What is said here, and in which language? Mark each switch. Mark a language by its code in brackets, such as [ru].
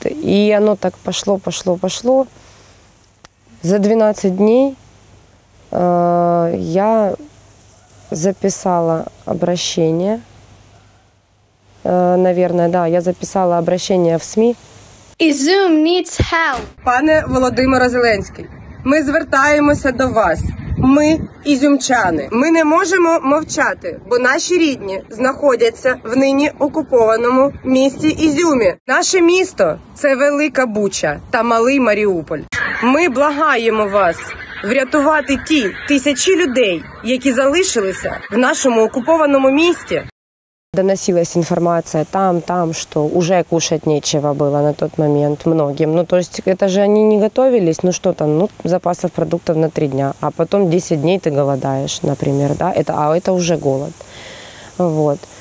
[ru] И оно так пошло, пошло, пошло. За 12 дней я записала обращение. Наверное, да, я записала обращение в СМИ. [en] Izum needs help. [uk] Пане Володимире Зеленський, ми звертаємося до вас. Ми – ізюмчани. Ми не можемо мовчати, бо наші рідні знаходяться в нині окупованому місті Ізюмі. Наше місто – це Велика Буча та Малий Маріуполь. Ми благаємо вас врятувати ті тисячі людей, які залишилися в нашому окупованому місті. [ru] Доносилась информация там, что уже кушать нечего было на тот момент многим. Ну, то есть это же они не готовились, ну что там, ну, запасов продуктов на 3 дня, а потом 10 дней ты голодаешь, например, да, это уже голод. Вот.